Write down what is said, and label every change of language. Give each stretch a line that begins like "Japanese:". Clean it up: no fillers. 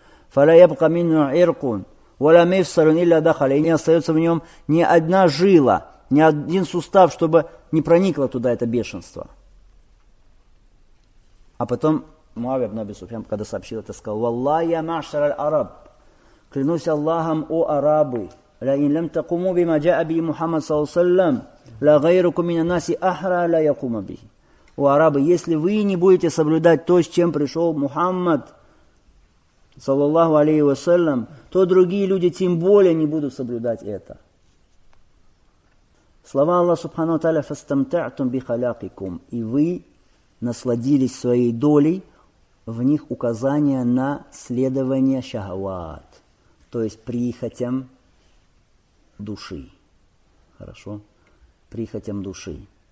Arabic: «Фаля ябка минну иркун, валя мифсарун илля дахаля».
Russian: И не остается в нем ни одна жила, ни один сустав, чтобы не проникло туда это бешенство. А потом Муавия ибн Аби Суфьян, когда сообщил это, сказал:
Arabic: «Валлахи я машар аль-араб,
Russian: клянусь Аллахом, о арабы,
Arabic: لئن لم تقوموا بما جاء به محمد صلى الله عليه وسلم لغيركم من الناس أحرى لا يقوم به.
Russian: У арабы, если вы не будете соблюдать то, с чем пришел Мухаммад, саллаллаху алейхи вассалям, то другие люди тем более не будут соблюдать это. Слова Аллаха субхана ва тааля:
Arabic: «Фастамтаътум бихаляқикум»,
Russian: и вы насладились своей долей, в них указание на следование шахават, то есть прихотям души. Хорошо? Прихотям души.